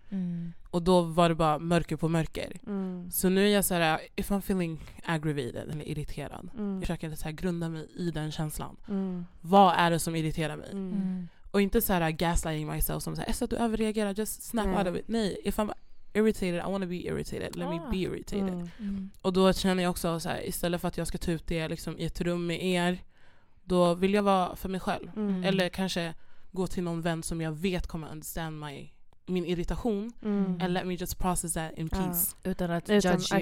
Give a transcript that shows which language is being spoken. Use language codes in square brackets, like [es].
[sv] Mm. Och då var det bara mörker på mörker. Mm. Så nu är jag så här, [en] if I'm feeling aggravated [sv] eller irriterad, jag försöker så här grunda mig i den känslan. Mm. Vad är det som irriterar mig? Mm. Och inte så här [en] gaslighting myself, [sv] som så här, att du överreagerar, [en] just snap out of it. [sv] Nej, [en] if I'm irritated, I want to be irritated. Let me be irritated. Mm. [sv] Och då känner jag också så här, istället för att jag ska ta ut det liksom i ett rum med er, då vill jag vara för mig själv. Mm. Eller kanske gå till någon vän som jag vet kommer understand min irritation, [en] and let me just process that in peace. [sv] Utan att [en] judge you.